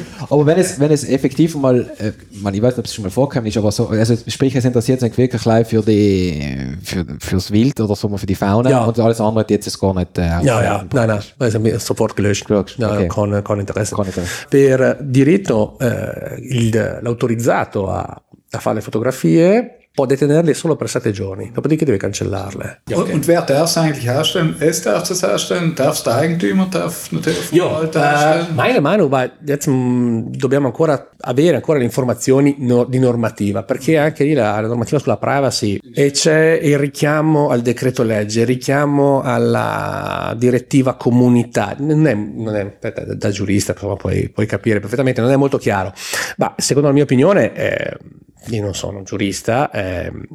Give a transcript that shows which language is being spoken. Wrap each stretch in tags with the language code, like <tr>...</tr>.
<de>Aber wenn es effektiv mal, man, ich weiß nicht, ob es schon mal vorkommen ist, aber so, also sprich, es interessiert sich wirklich gleich fürs Wild oder so, für die Fauna und alles andere, die jetzt ist gar nicht. Nein, sofort gelöscht.</de> <it>Con Interesse. Per diritto, l'autorizzato a fare le fotografie può detenerle solo per 7 giorni, dopodiché deve cancellarle. Okay. Okay.</it> <de>Und wer darf es eigentlich herstellen? Es darf es herstellen, darf es der Eigentümer, darf natürlich von Walter herstellen? Meine Meinung war, jetzt</de> <it>dobbiamo ancora avere ancora le informazioni di normativa, perché anche lì la normativa sulla privacy, e c'è il richiamo al decreto legge, il richiamo alla direttiva comunità, non è da giurista, però puoi capire perfettamente, non è molto chiaro, ma secondo la mia opinione, io non sono un giurista, è</it>